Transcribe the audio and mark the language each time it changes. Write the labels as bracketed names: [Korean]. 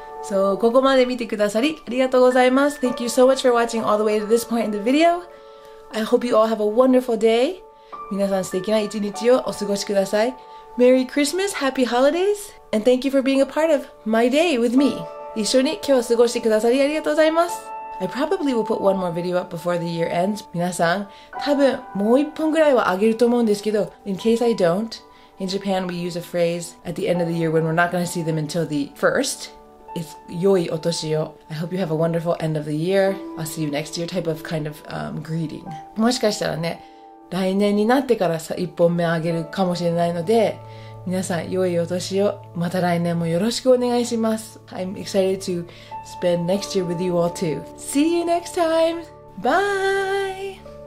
[English] Thank you so much for watching all the way to this point in the video. I hope you all have a wonderful day. [Japanese] 皆さん素敵な一日をお過ごしください。 [English] Merry Christmas, Happy Holidays, and thank you for being a part of my day with me. [Japanese] 一緒に今日を過ごしてくださりありがとうございます。 [English] I probably will put one more video up before the year ends. [Japanese] 皆さん、多分もう一本ぐらいはあげると思うんですけど、 [English] in case I don't, in Japan we use a phrase at the end of the year when we're not going to see them until the first. [Japanese] It's 良いお年を。 [English] I hope you have a wonderful end of the year. I'll see you next year type of kind of、greeting. [Japanese] もしかしたらね、来年になってから一本目あげるかもしれないので、皆さん、良いお年を。また来年もよろしくお願いします。 [English] I'm excited to spend next year with you all too. See you next time! Bye!